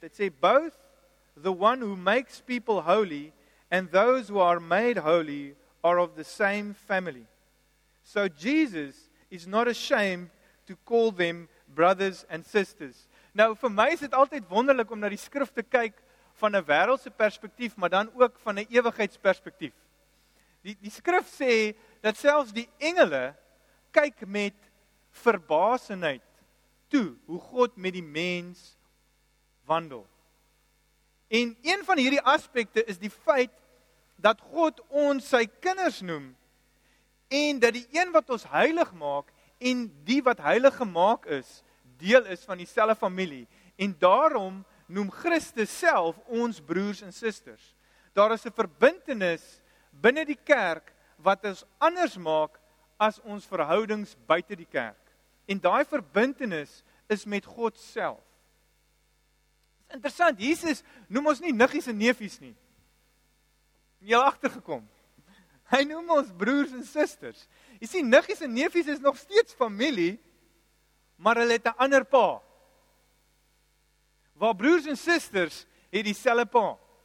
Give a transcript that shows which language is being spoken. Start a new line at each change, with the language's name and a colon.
Afrikaans: Dit sê
English: both the one who makes people holy and those who are made holy are of the same family. So Jesus is not ashamed to call them brothers and sisters.
Afrikaans: Nou, vir my is dit altyd wonderlik om na die skrif te kyk van 'n wêreldse perspektief, maar dan ook van 'n ewigheidsperspektief. Die skrif sê, dat selfs die engele kyk met verbaasenheid toe, hoe God met die mens wandel. En een van hierdie aspekte is die feit, dat God ons sy kinders noem, en dat die een wat ons heilig maak, en die wat heilig gemaak is, deel is van dieselfde familie. En daarom noem Christus self ons broers en susters. Daar is 'n verbintenis binne die kerk, wat ons anders maak as ons verhoudings buite die kerk. En daai verbintenis is met God self. Dit is interessant, Jesus noem ons nie niggies en neefies nie. Jy het agtergekom. Hy noem ons broers en susters. Jy sien, niggies en neefies is nog steeds familie, maar hulle het 'n ander pa. Waar broers en susters het dieselfde pa.